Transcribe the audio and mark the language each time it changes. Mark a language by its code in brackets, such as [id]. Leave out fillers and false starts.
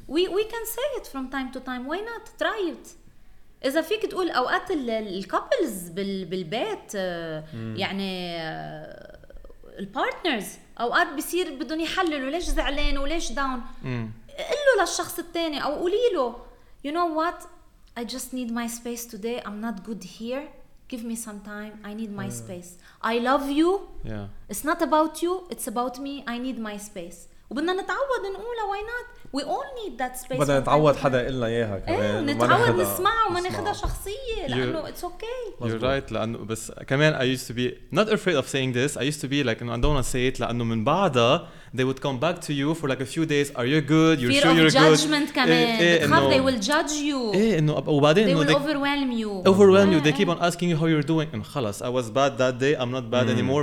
[en] we can say it from time to time why not try it [ar] اذا فيك تقول اوقات الكابلز بالبيت يعني البارتنرز اوقات بيصير بدهم يحللوا ليش زعلان وليش داون قل له للشخص الثاني او قولي له [en] you know what I just need my space today I'm not good here give me some time, I need my space. I love you. Yeah. It's not about you, it's about me. I need my space. [ar] وبدنا نتعود نقولها, [en] why not? We all need that space. [ar] بدنا نتعود حدا يقول لنا اياها كمان. ايه, نتعود نسمعها وما ناخذها شخصية لأنه [en] it's okay. You're right, [ar] لأنه بس كمان [en] I used to be not afraid of saying this. I used to be like, no, I don't want to say it [ar] لأنه من بعدها [en] they would come back to you for like a few days. Are you good? You're sure you're good? Fear of judgment [ar] كمان. إيه, [en] they will judge you. [ar] إيه, إنه وبعدين [en] they will overwhelm you. Overwhelm you. They keep on asking you how you're doing. And خلاص, I was bad that day. I'm not bad anymore.